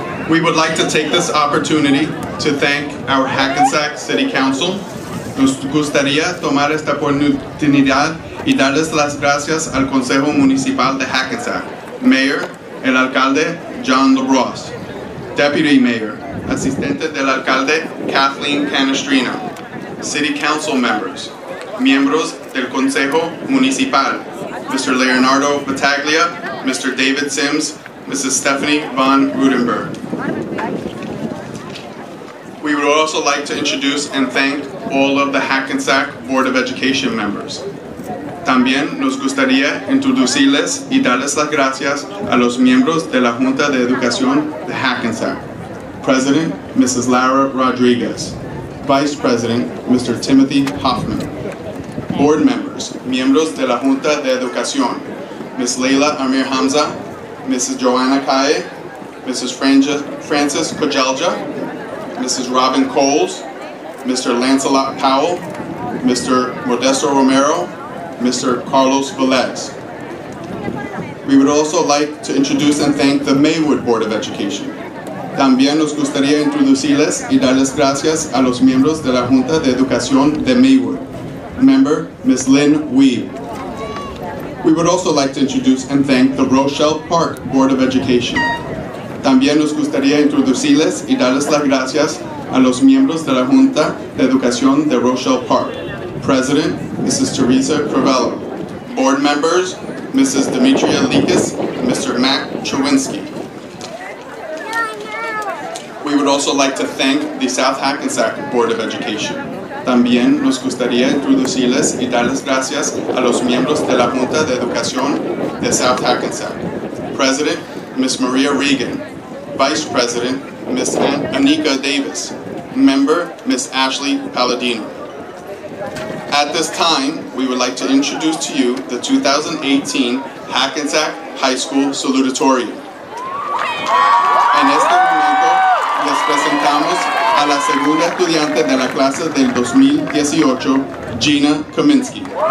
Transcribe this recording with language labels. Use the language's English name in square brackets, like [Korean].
[English] We would like to take this opportunity to thank our Hackensack City Council. [Spanish] Nos gustaría tomar esta oportunidad y darles las gracias al Consejo Municipal de Hackensack, [English] Mayor, [Spanish] el Alcalde John LaRosse, [English] Deputy Mayor, [Spanish] Asistente del Alcalde Kathleen Canestrino, [English] City Council Members, [Spanish] Miembros del Consejo Municipal, [English] Mr. Leonardo Battaglia, Mr. David Sims, Mrs. Stephanie Von Rudenberg. We would also like to introduce and thank all of the Hackensack Board of Education Members. [Spanish] También nos gustaría introducirles y darles las gracias a los miembros de la Junta de Educación de Hackensack. [English] President, Mrs. Lara Rodriguez. Vice President, Mr. Timothy Hoffman. Board members, [Spanish] miembros de la Junta de Educación, [English] Ms. Leila Amir Hamza, Mrs. Joanna Kaye, Mrs. Francis Kojalja, Mrs. Robin Coles, Mr. Lancelot Powell, Mr. Modesto Romero, Mr. Carlos Velez. We would also like to introduce and thank the Maywood Board of Education. [Spanish] También nos gustaría introducirles y darles gracias a los miembros de la Junta de Educación de Maywood. [English] Member, Ms. Lynn Weeb. We would also like to introduce and thank the Rochelle Park Board of Education. [Spanish] También nos gustaría introducirles y darles las gracias a los miembros de la Junta de Educación de Rochelle Park. [English] President, Mrs. Teresa Crivello. Board members, Mrs. Demetria Likas, Mr. Matt Chowinski. We would also like to thank the South Hackensack Board of Education. [Spanish] También nos gustaría introducirles y darles gracias a los miembros de la Junta de Educación de South Hackensack. [English] President, Ms. Maria Regan. Vice President, Ms. Anika Davis. Member, Ms. Ashley Palladino. At this time, we would like to introduce to you the 2018 Hackensack High School Salutatorium. [Spanish] En este momento les presentamos a la segunda estudiante de la clase del 2018, Gina Kaminsky.